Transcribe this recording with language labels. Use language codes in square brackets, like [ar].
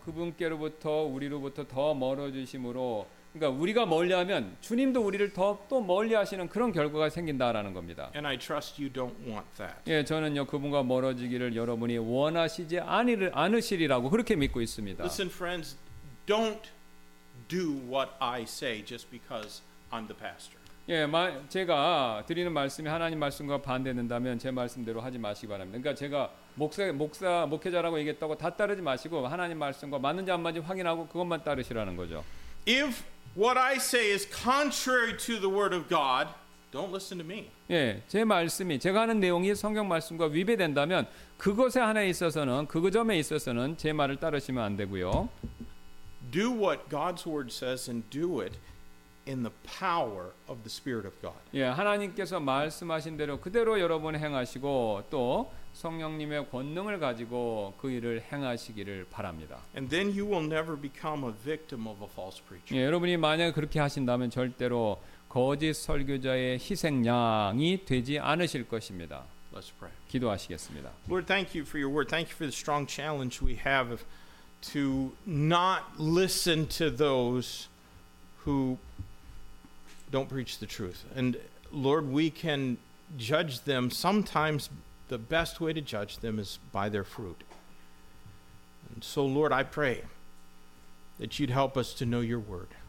[ko] 그분께로부터 우리로부터 더 멀어지심으로 그러니까 우리가 멀리하면 주님도 우리를 더 또 멀리하시는 그런 결과가 생긴다라는 겁니다. [en] And I trust you don't want that. [ko] 예, 저는요 그분과 멀어지기를 여러분이 원하시지 않으시리라고 그렇게 믿고 있습니다. [en] Listen, friends, don't do what I say just because I'm the pastor. [ko] 예, 제가 드리는 말씀이 하나님 말씀과 반대된다면 제 말씀대로 하지 마시기 바랍니다. 그러니까 제가 목회자라고 얘기했다고 다 따르지 마시고 하나님 말씀과 맞는지 안 맞는지 확인하고 그것만 따르시라는 거죠. [en] If what I say is contrary to the word of God, don't listen to me. [ko] 예, 제 말씀이 제가 하는 내용이 성경 말씀과 위배된다면 그것에 하나 있어서는 그 점에 있어서는 제 말을 따르시면 안 되고요. [en] Do what God's word says and do it in the power of the Spirit of God. [ko] 예, 하나님께서 말씀하신 대로 그대로 여러분 행하시고 또 성령님의 권능을 가지고 그 일을 행하시기를 바랍니다. [en] And then you will never become a victim of a false preacher. [ko] 예, 여러분이 만약 그렇게 하신다면 절대로 거짓 설교자의 희생양이 되지 않으실 것입니다. [en] Let's pray. [ko] 기도하시겠습니다. [en] Lord, thank you for your word. Thank you for the strong challenge we have to not listen to those who don't preach the truth. And Lord, we can judge them sometimes. The best way to judge them is by their fruit. And so, Lord, I pray that you'd help us to know your word.